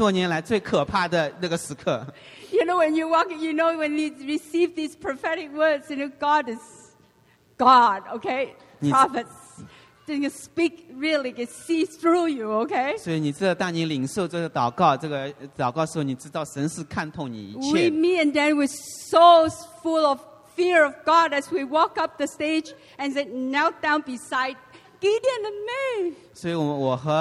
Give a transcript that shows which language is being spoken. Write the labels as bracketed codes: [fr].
[zh] 这是我们这个30多年来最可怕的那个时刻。 [en] You know, when you walk, you know, when you receive these prophetic words, you know, God is God, okay? Prophets. Then you speak really, it sees through you, okay? [zh] 所以你知道，当你领受这个祷告，这个祷告时候，你知道神是看透你一切。 [en] Me and Dan were so full of fear of God as we walk up the stage and said, knelt down beside Gideon and May.